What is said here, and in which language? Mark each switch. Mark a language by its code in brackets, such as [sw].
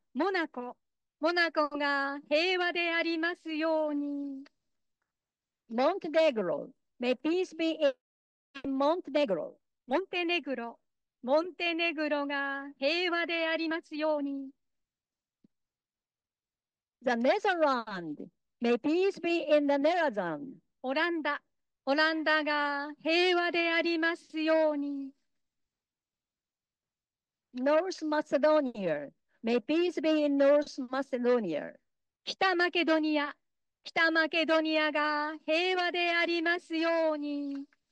[ja] モナコ、モナコが平和でありますように。 [en] Montenegro, may peace be in Montenegro. [ja] モンテネグロ、モンテネグロが平和でありますように。 [en] The Netherlands, may peace be in the Netherlands. [ja] オランダ、オランダが平和でありますように。 [en] North Macedonia, may peace be in North Macedonia. [ja] 北マケドニア、北マケドニアが平和でありますように。